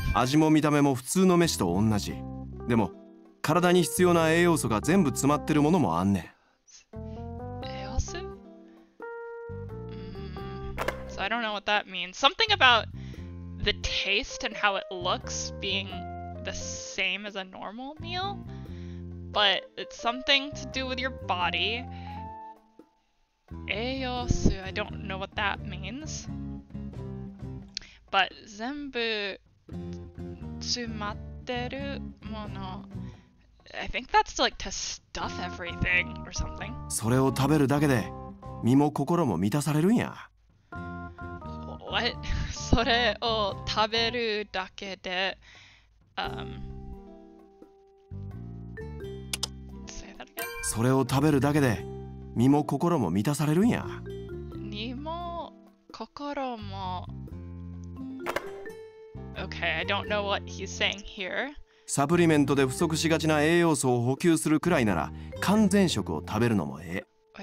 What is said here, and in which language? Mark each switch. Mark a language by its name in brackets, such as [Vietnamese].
[Japanese] 味も見た目も普通の飯と同じ。でも体に必要な栄養素が全部詰まってるものもあんねん。栄養素？ [English] So I don't know what that means. Something about the taste and how it looks being. The same as a normal meal, but it's something to do with your body. [Japanese] 栄養素, [English] I don't know what that means. But [Japanese] 全部詰まってるもの, [English] I think that's like to stuff everything or something. [Japanese] それを食べるだけで身も心も満たされるんや。 [English] What? [Japanese] それを食べるだけで [English] say that again. [Japanese] それを食べるだけで身も心も満たされるんや。身も心も。 [English] Okay, I don't know what he's saying here. [Japanese] サプリメントで不足しがちな栄養素を補給するくらいなら、完全食を食べるのもええ。